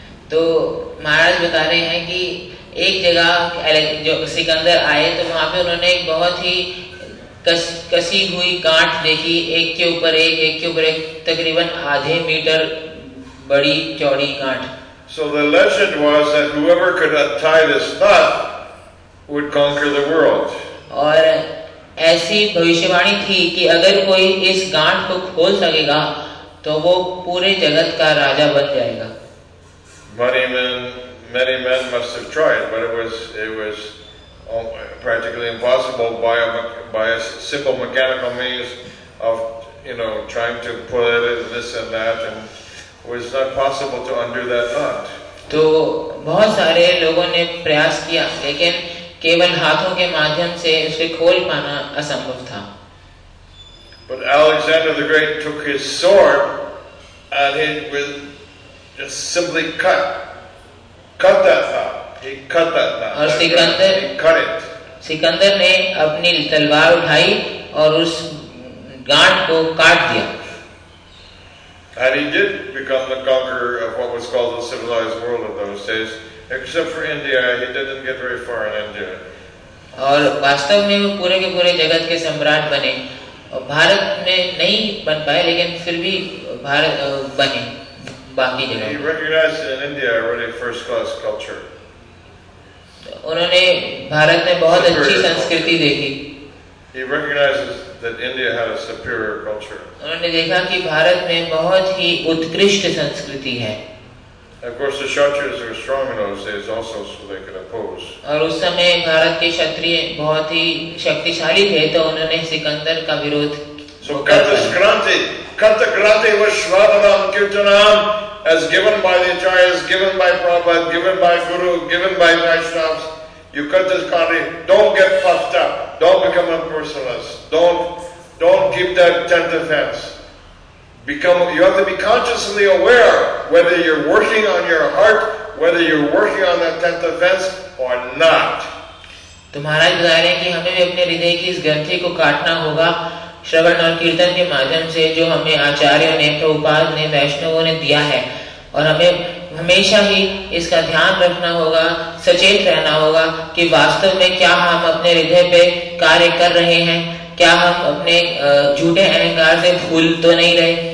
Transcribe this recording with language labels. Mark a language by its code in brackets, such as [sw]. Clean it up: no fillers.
[hi] तो महाराज बता रहे हैं कि एक जगह जो सिकंदर आए तो वहां पे उन्होंने एक बहुत ही कसी हुई गांठ देखी, एक के ऊपर एक तकरीबन आधे मीटर बड़ी चौड़ी गांठ। [en] So the legend was that whoever could untie this knot would conquer the world. [hi] और ऐसी भविष्यवाणी थी कि अगर कोई इस गांठ को खोल सकेगा तो वो पूरे जगत का राजा बन जाएगा। [en] many men must have tried, but it was practically impossible by a simple mechanical means of, you know, trying to pull it in this and that, and it was not possible to undo that knot. [hi] तो बहुत सारे लोगों ने प्रयास किया, लेकिन केवल हाथों के माध्यम से उसे खोल पाना असंभव था. [en] But Alexander the Great took his sword and he was just simply cut that knot. He cut that knot. [hi] और Sikandar, [en] he cut it. [hi] Sikandar ने अपनी तलवार उठाई और उस गांठ को काट दिया. [en] And he did become the conqueror of what was called the civilized world of those days. Except for India, he didn't get very far in India. [hi] और वास्तव में वो पूरे के पूरे जगत के सम्राट बने. भारत में नहीं बन पाए, लेकिन फिर भी भारत बने बाकी जगह. [en] He recognized in India already first-class culture. [hi] उन्होंने भारत में बहुत अच्छी संस्कृति देखी. [en] He recognizes that India had a superior culture. [hi] उन्होंने देखा कि भारत में बहुत ही उत्कृष्ट संस्कृति है. [en] Of course, the Kshatriyas were strong in those days also, so they could oppose. [hi] और उस समय भारत के क्षत्रिय बहुत ही शक्तिशाली थे, तो उन्होंने सिकंदर का विरोध. [en] So Kartikranti was Shravanam Kirtanam, as given by the Acharyas, given by Prabhupada, given by Guru, given by Vaishnavas. You cut this country, don't get puffed up, don't become impersonalist, don't keep that tent defense. You have to be consciously aware whether you're working on your heart, whether you're working on that tent defense or not. [hi] तो महाराज बता रहे हैं कि हमें भी अपने हृदय की इस ग्रंथि को काटना होगा श्रवण और कीर्तन के माध्यम से, जो हमें आचार्यों ने, प्रभुपाद ने, वैष्णवों ने दिया है, और हमें हमेशा ही इसका ध्यान रखना होगा, सचेत रहना होगा कि वास्तव में क्या हम अपने हृदय पे कार्य कर रहे हैं, क्या हम अपने झूठे अहंकार से भूल तो नहीं रहे.